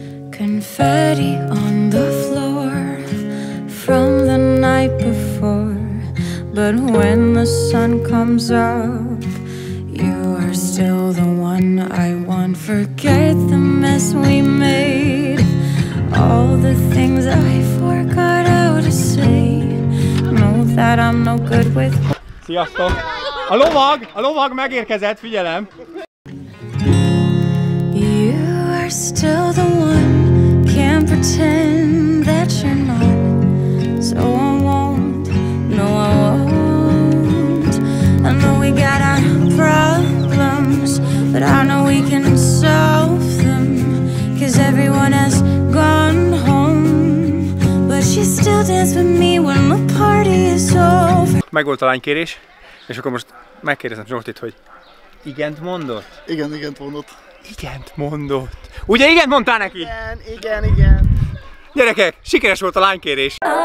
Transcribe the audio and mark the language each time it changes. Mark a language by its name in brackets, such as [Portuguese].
[English] Confetti on the floor from the night before, but when the sun comes up, you are still the one I want. Forget the mess we made, all the things I forgot how to say. That I'm no good with. [Hungarian] Sziasztok! A lovag megérkezett, figyelem. [English] You are still the one, can't pretend that you're not. So I won't, no I won't. I know we got our problems, but I know we can solve them, 'cause everyone has gone home, but she still dances with me when the party. [Hungarian] Megvolt a lánykérés, és akkor most megkérdezem Zsoltit, hogy igent mondott? Igen, igent mondott. Igent mondott. Ugye igent mondtál neki? Igen, igen, igen. Gyerekek, sikeres volt a lánykérés.